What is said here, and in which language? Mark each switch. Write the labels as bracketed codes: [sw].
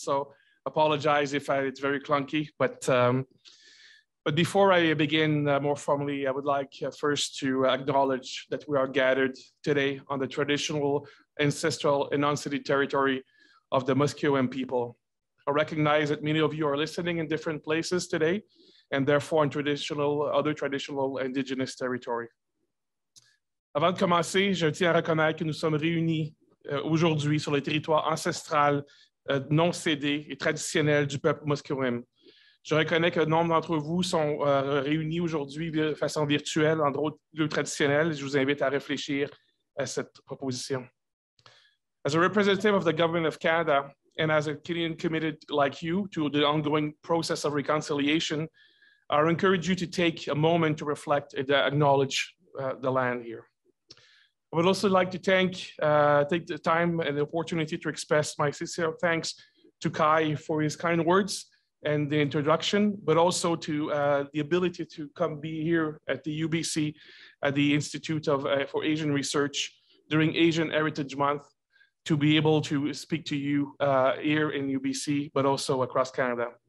[en] So apologize if it's very clunky. But before I begin more formally, I would like first to acknowledge that we are gathered today on the traditional, ancestral, and unceded territory of the Musqueam people. I recognize that many of you are listening in different places today, and therefore in other traditional Indigenous territory. [fr] Avant de commencer, je tiens à reconnaître que nous sommes réunis aujourd'hui sur le territoire ancestral non cédé et traditionnel du peuple Musqueam. Je reconnais que nombre d'entre vous sont réunis aujourd'hui de façon virtuelle en lieu traditionnel. Je vous invite à réfléchir à cette proposition. [en] As a representative of the Government of Canada and as a Canadian committed like you to the ongoing process of reconciliation, I encourage you to take a moment to reflect and acknowledge the land here. I would also like to take the time and the opportunity to express my sincere thanks to Kai for his kind words and the introduction, but also to the ability to come be here at the UBC, at the Institute for Asian Research during Asian Heritage Month, to be able to speak to you here in UBC, but also across Canada.